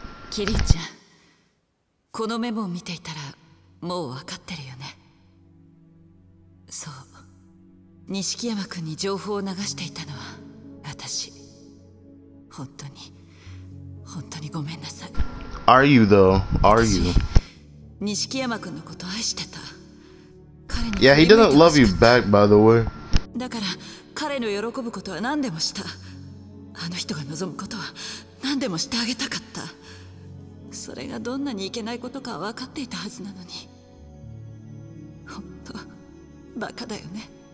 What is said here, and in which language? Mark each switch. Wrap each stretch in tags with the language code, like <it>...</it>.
<ja>キリちゃん、このメモを見ていたらもう分かってるよね。そう、錦山君に情報を流していたのは私。本当に本当にごめんなさい。</ja> <en>Are you though? Are you?</en> <ja>錦山君のこと愛してた。彼に</ja> <en>Yeah, he doesn't love you back, by the way.</en> <ja>だから彼の喜ぶことは何でもした。あの人が望むことは何でもしてあげたかった。それがどんなにいけないことかは分かっていたはずなのに。本当、バカだよね。</ja>